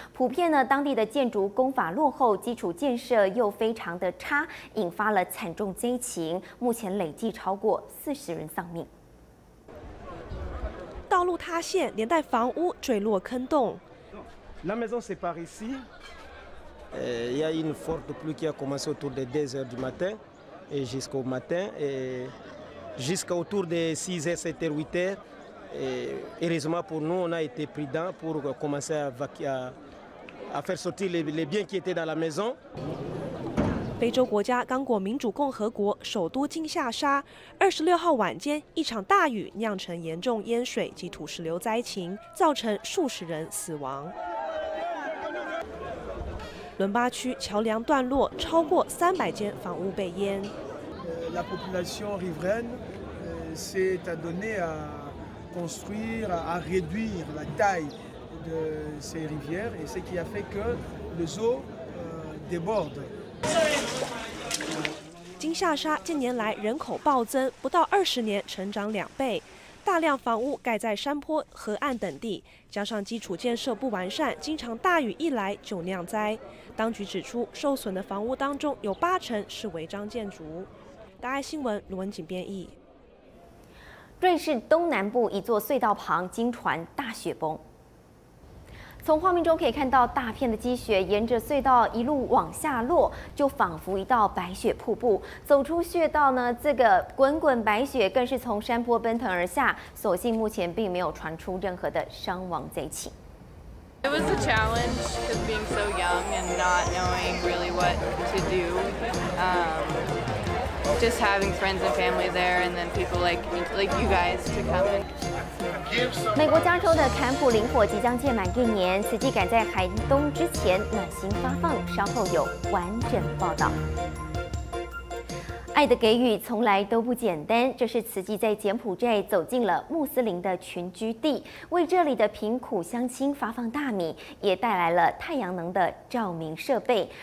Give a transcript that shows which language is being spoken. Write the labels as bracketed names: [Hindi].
[Chinese] 普遍呢，当地的建筑工法落后，基础建设又非常的差，引发了惨重灾情。目前累计超过40人丧命。道路塌陷，连带房屋坠落坑洞。 [French] La maison c'est par ici. Il y a une forte pluie qui a commencé autour de 10h du matin. Et jusqu'au matin, jusqu'autour de 6h, 7h, 8h. Heureusement pour nous, on a été prudents pour commencer à faire sortir les biens qui étaient dans la maison. [Chinese] 非洲国家刚果民主共和国首都金夏沙，26号晚间，一场大雨酿成严重淹水及土石流灾情，造成数十人死亡。伦巴区桥梁断落，超过300间房屋被淹。 [French] La population riveraine s'est adonnée à construire, à réduire la taille de ces rivières, et ce qui a fait que les eaux débordent. [Chinese] 金夏沙近年来人口暴增，不到20年成长2倍。大量房屋盖在山坡、河岸等地，加上基础建设不完善，经常大雨一来就酿灾。当局指出，受损的房屋当中有80%是违章建筑。大爱新闻卢文锦编译。瑞士东南部一座隧道旁经传大雪崩。从画面中可以看到，大片的积雪沿着隧道一路往下落，就仿佛一道白雪瀑布。走出隧道呢，这个滚滚白雪更是从山坡奔腾而下。所幸目前并没有传出任何的伤亡灾情。 [English] It was a challenge because being so young and not knowing really what to do. Just having friends and family there, and then people like you guys to come in. [Chinese] 美国加州的坎普林火即将届满1年，此际赶在寒冬之前暖心发放，稍后有完整报道。爱的给予从来都不简单，这是慈济在柬埔寨走进了穆斯林的群居地，为这里的贫苦乡亲发放大米，也带来了太阳能的照明设备。